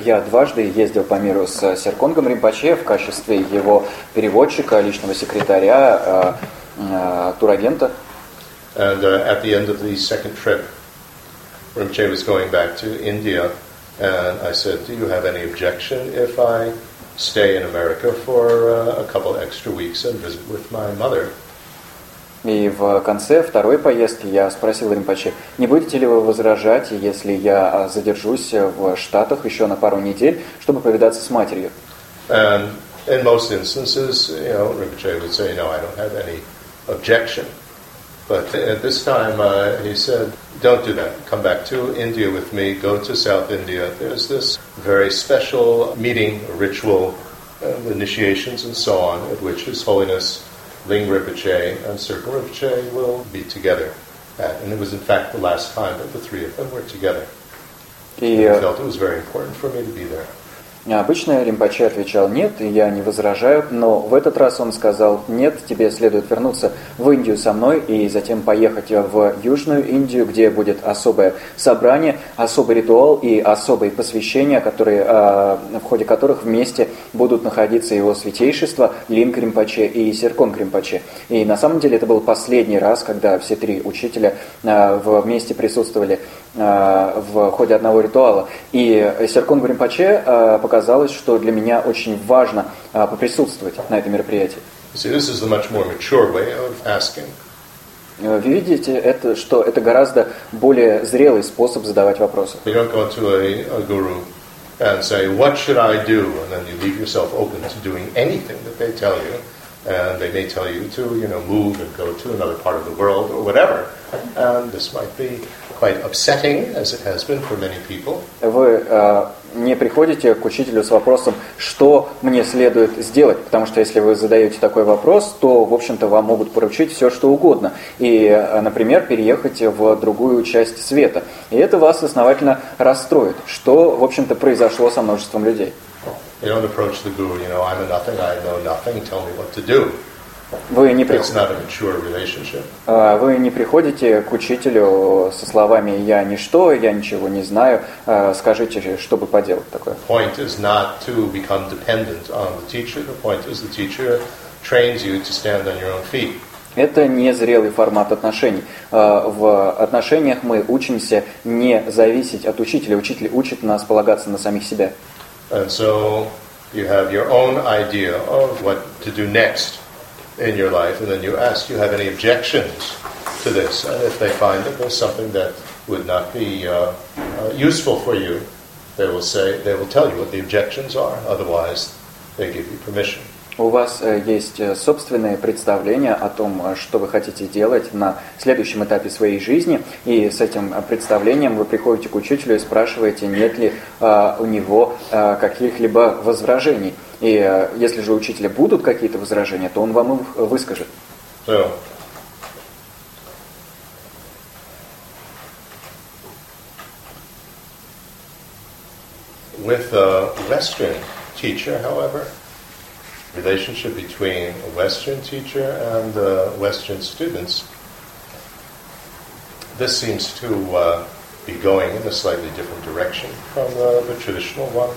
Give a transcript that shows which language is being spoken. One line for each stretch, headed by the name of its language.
Russian: Я дважды ездил по миру с Серконгом Ринпоче в качестве его переводчика, личного секретаря, турагента.
English: And at the end of the second trip, Rinpoche was going back to India, and I said, do you have any objection if I stay in America for a couple extra weeks and visit with my mother?
Russian: И в конце второй поездки я спросил Ринпоче, не будете ли вы возражать, если я задержусь в Штатах еще на пару недель, чтобы повидаться с матерью?
English: And in most instances, you know, Ринпоче would say, no, I don't have any objection. But at this time, he said, don't do that. Come back to India with me. Go to South India. There's this very special meeting, ritual, initiations and so on, at which His Holiness Ling Rinpoche and Serpa Rinpoche will be together. And it was, in fact, the last time that the three of them were together. And I felt it was very important for me to be there.
Russian: Обычно Ринпоче отвечал «нет», и я не возражаю, но в этот раз он сказал «нет, тебе следует вернуться в Индию со мной и затем поехать в Южную Индию, где будет особое собрание, особый ритуал и особые посвящения, которые, в ходе которых вместе будут находиться его святейшество Линг Ринпоче и Серконг Ринпоче». И на самом деле это был последний раз, когда все три учителя вместе присутствовали в ходе одного ритуала. И Серконг Ринпоче показалось, что для меня очень важно поприсутствовать на этом мероприятии.
English: See, this is a much more mature way of asking.
Russian: Вы видите, это, что это гораздо более зрелый способ задавать вопросы.
English: You don't go to a guru and say, what should I do? And then you leave yourself open to doing anything that they tell you. And they may tell you to, you know, move and go to another part of the world or whatever. And this might be quite upsetting, as it has been for many people.
Russian: Вы не приходите к учителю с вопросом, что мне следует сделать, потому что если вы задаете такой вопрос, то, в общем-то, вам могут поручить все, что угодно. И, например, переехать в другую часть света. И это вас основательно расстроит, что, в общем-то, произошло со множеством людей.
English: You don't approach the guru, you know, I'm a nothing, I know nothing, tell me what to do. It's not a mature relationship.
Russian: Вы не приходите к учителю со словами «я ничто, я ничего не знаю», скажите, что бы поделать такое.
English: Point is not to become dependent on the teacher. The point is the teacher trains you to stand on your own feet.
Russian: Это незрелый формат отношений. В отношениях мы учимся не зависеть от учителя. Учитель учит нас полагаться на самих себя.
English: And so you have your own idea of what to do next in your life, and then you ask, do you have any objections to this? And if they find that there's something that would not be useful for you, they will tell you what the objections are. Otherwise, they give you permission.
Russian: У вас есть собственное представление о том, что вы хотите делать на следующем этапе своей жизни, и с этим представлением вы приходите к учителю и спрашиваете, нет ли у него каких-либо возражений. И если же у учителя будут какие-то возражения, то он вам их выскажет.
English: So, with a Western teacher, however, relationship between a Western teacher and Western students, this seems to be going in a slightly different direction from the traditional one.